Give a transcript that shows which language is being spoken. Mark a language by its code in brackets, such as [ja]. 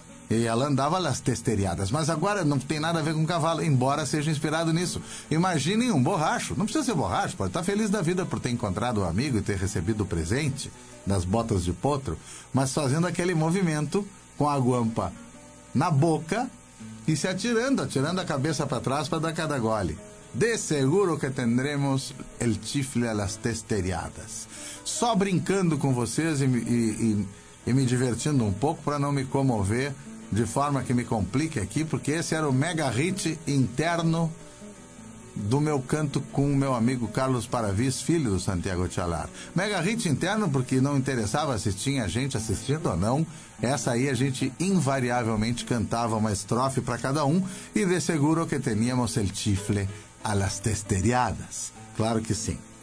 [pt] E ela andava nas testeriadas, mas agora não tem nada a ver com cavalo, embora seja inspirado nisso. Imaginem um borracho, não precisa ser borracho, pode estar feliz da vida por ter encontrado um amigo e ter recebido o presente das botas de potro, mas fazendo aquele movimento com a guampa na boca e se atirando a cabeça para trás para dar cada gole. [es] De seguro que tendremos el chifle a las testeriadas. [pt] Só brincando com vocês e me divertindo um pouco para não me comover de forma que me complique aqui, porque esse era o mega hit interno do meu canto com o meu amigo Carlos Paravis, filho do Santiago Tchalar. Mega hit interno porque não interessava se tinha gente assistindo ou não, essa aí a gente invariavelmente cantava uma estrofe para cada um, e [es] de seguro que teníamos el chifle a las testeriadas. [pt] Claro que sim.